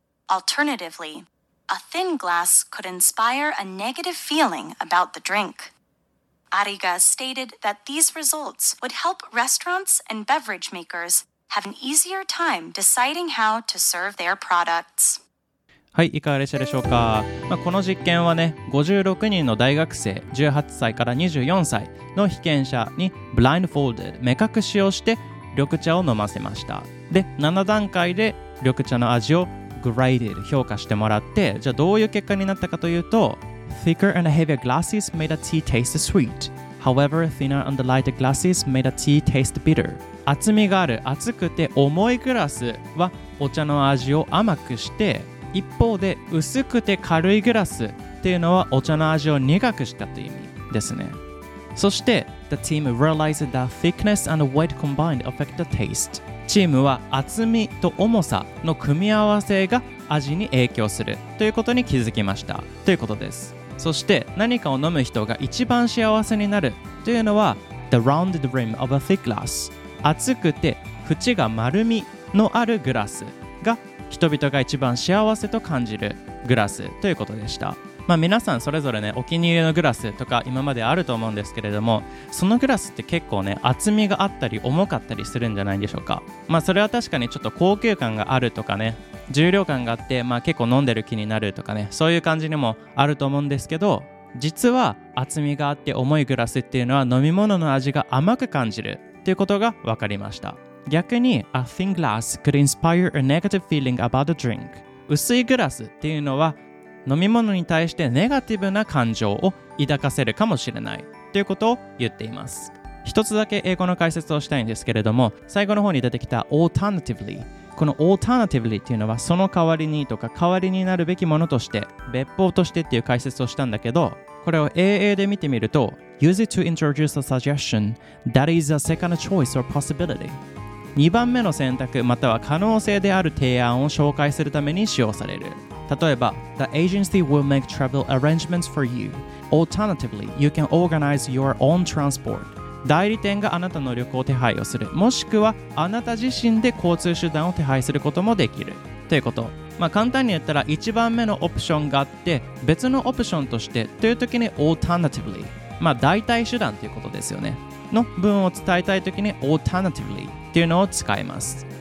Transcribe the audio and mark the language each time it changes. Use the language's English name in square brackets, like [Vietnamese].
[English] Alternatively, a thin glass could inspire a negative feeling about the drink. Arriga stated that these results would help restaurants and beverage makers have an easier time deciding how to serve their products. [Japanese] はい、いかがでしたでしょうか。まあ、この実験はね、56人の大学生、18歳から24歳の被験者に blindfolded、目隠しをして緑茶を飲ませました。で、7段階で緑茶の味をグレーディル、評価してもらって、じゃあどういう結果になったかというと、 [English] Thicker and heavier glasses made the tea taste sweet. However, thinner and lighter glasses made the tea taste bitter. [Japanese] 厚みがある、厚くて重いグラスはお茶の味を甘くして、一方で薄くて軽いグラスっていうのはお茶の味を苦くしたという意味ですね。 [English] そして The team realized that thickness and weight combined affect the taste. [Japanese] チームは厚みと重さの組み合わせが味に影響するということに気づきましたということです。そして何かを飲む人が一番幸せになるというのは [English] The rounded rim of a thick glass、 [Japanese] 厚くて縁が丸みのあるグラスが人々が一番幸せと感じるグラスということでした。まあ、皆さんそれぞれね、お気に入りのグラスとか今まであると思うんですけれども、そのグラスって結構ね、厚みがあったり重かったりするんじゃないでしょうか。まあ、それは確かにちょっと高級感があるとかね、重量感があって、まあ結構飲んでる気になるとかね、そういう感じにもあると思うんですけど、実は厚みがあって重いグラスっていうのは飲み物の味が甘く感じるっていうことが分かりました。 [English] 逆に A thin glass could inspire a negative feeling about the drink. [Japanese] 薄いグラスっていうのは飲み物に対してネガティブな感情を抱かせるかもしれないということを言っています。一つだけ英語の解説をしたいんですけれども、最後の方に出てきた Alternatively、 この Alternatively っていうのはその代わりにとか、代わりになるべきものとして、別法としてっていう解説をしたんだけど、これを AA で見てみると [English] Use it to introduce a suggestion that is a second choice or possibility。 [Japanese] 2番目の選択または可能性である提案を紹介するために使用される。 [English] 例えば The agency will make travel arrangements for you. Alternatively, you can organize your own transport. [Japanese] 代理店があなたの旅行を手配をする、もしくはあなた自身で交通手段を手配することもできるということ。まあ、簡単に言ったら1番目のオプションがあって、別のオプションとしてという時に Alternatively、 まあ代替手段ということですよね、の文を伝えたい時に Alternatively っていうのを使います。